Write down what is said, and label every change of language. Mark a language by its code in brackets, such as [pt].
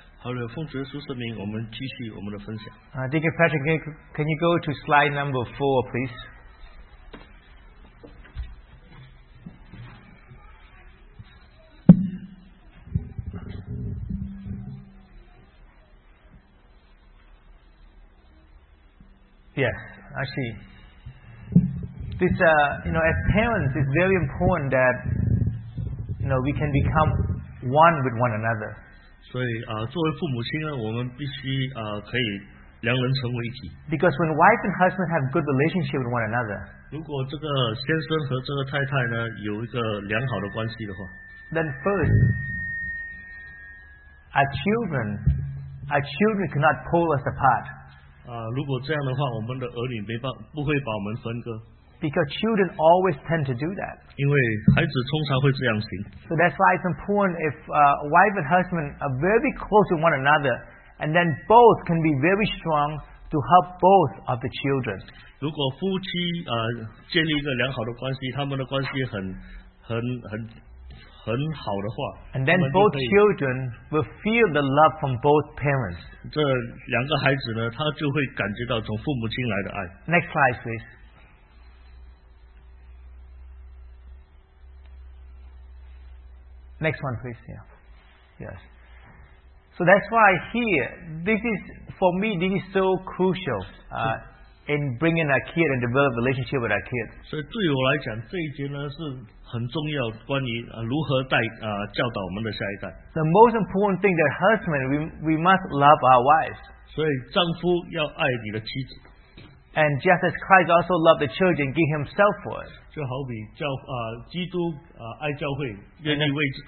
[zh] Hallelujah, 奉主耶稣圣名, 我们继续我们的分享。 [en] Deacon Patrick, can you go to slide number 4, please? Yes, I see. This, you know, as parents, it's very important that, you know, we can become one with one another. [zh] 所以, 作为父母亲呢, 我们必须, 可以两人成为一体。 [en] Because when wife and husband have good relationship with one another, [zh] 如果这个先生和这个太太呢, 有一个良好的关系的话, [en] then first, our children cannot pull us apart. [zh] 如果这样的话, 我们的儿女没办法不会把我们分割。 [en] Because children always tend to do that. So that's why it's important if wife and husband are very close to one another, and then both can be very strong to help both of the children. [zh] 如果夫妻, 建立一个良好的关系,他们的关系很好的话, [en] and then both children will feel the love from both parents. [zh] 这两个孩子呢, 他就会感觉到从父母亲来的爱。 [en] Next slide, please. Next one, please. Yeah. Yes. So that's why here, this is, for me, this is so crucial in bringing our kid and develop a relationship with our kid. [zh] 所以对我来讲, 这一节呢, 是很重要, 关于, 如何带, 教导我们的下一代。 [en] The most important thing that husband, we must love our wives. [zh] 所以丈夫要爱你的妻子。 [en] And just as Christ also loved the church and gave himself for us. [zh] 就好比教, 基督, 爱教会, 愿意为,